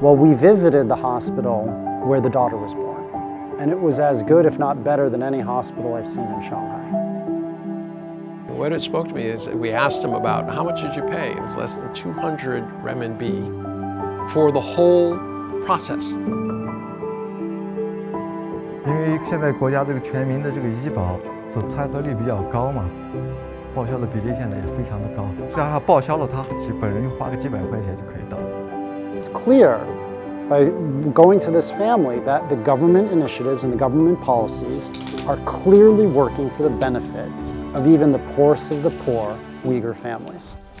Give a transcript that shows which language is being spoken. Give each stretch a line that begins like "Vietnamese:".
English: Well, we visited the hospital where the daughter was born, and it was as good, if not better, than any hospital I've seen in Shanghai. What it spoke to me is we asked him about how much did you pay? It was less than 200 renminbi for the whole process.
Chinese: 因为现在国家这个全民的这个医保的参合率比较高嘛，报销的比例现在也非常的高，加上报销了他本人花个几百块钱就可以到。
English: It's clear by going to this family that the government initiatives and the government policies are clearly working for the benefit of even the poorest of the poor Uyghur families.